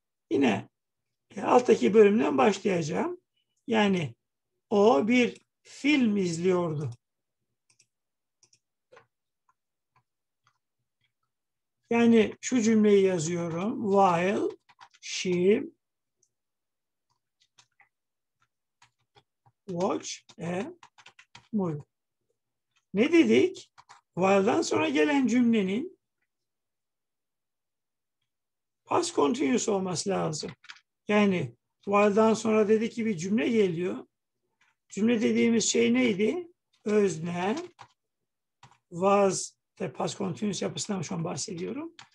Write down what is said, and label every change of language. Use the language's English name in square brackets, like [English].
[Turkish] Yine alttaki bölümden başlayacağım. Yani o bir film izliyordu. Yani şu cümleyi yazıyorum. [English] While she watched a movie. [Turkish] Ne dedik? While'dan sonra gelen cümlenin past continuous olması lazım. Yani while'dan sonra dedik ki bir cümle geliyor. Cümle dediğimiz şey neydi? Özne was, past continuous yapısından şu an bahsediyorum.